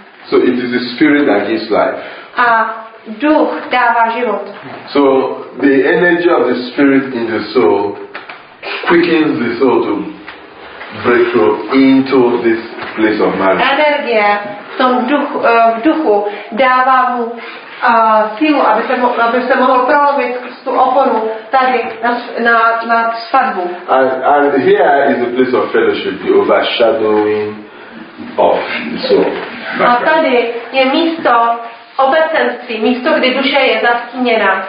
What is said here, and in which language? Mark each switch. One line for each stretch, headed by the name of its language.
English: So it is the spirit that gives life.
Czech: A duch dává život.
English: So the energy of the spirit in the soul quickens the soul to break through into this place of marriage.
Czech: Energie v duchu dává mu sílu, aby se mohl prolomit tu oponu tady na svatbu.
English: And here is the place of fellowship, the overshadowing of the soul.
Czech: A tady je místo obecenství, místo, kde duše je zastíněna.